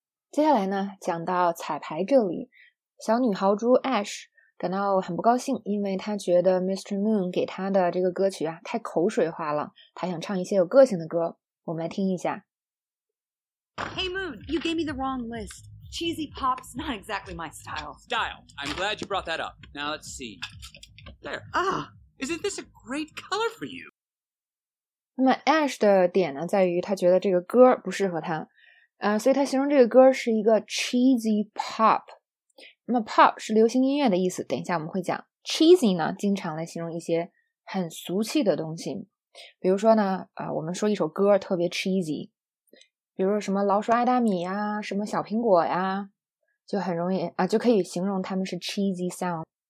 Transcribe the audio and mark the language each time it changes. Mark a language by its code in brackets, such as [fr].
[zh] 接下来呢，讲到彩排这里，小女豪猪 Ash 感到很不高兴，因为她觉得 Mr. Moon 给她的这个歌曲啊太口水化了，她想唱一些有个性的歌。我们来听一下。 [en] Hey Moon, you gave me the wrong list. Cheesy pop's not exactly my style. Style. I'm glad you brought that up. Now let's see. There. Ah, isn't this a great color for you? [zh] 那么 Ash 的点呢，在于她觉得这个歌不适合她。所以他形容这个歌是一个 cheesy pop。那么 pop 是流行音乐的意思，等一下我们会讲。 cheesy 呢经常来形容一些很俗气的东西，比如说呢我们说一首歌特别 cheesy， 比如说什么老鼠爱大米呀，什么小苹果呀，就很容易就可以形容他们是 cheesy sound。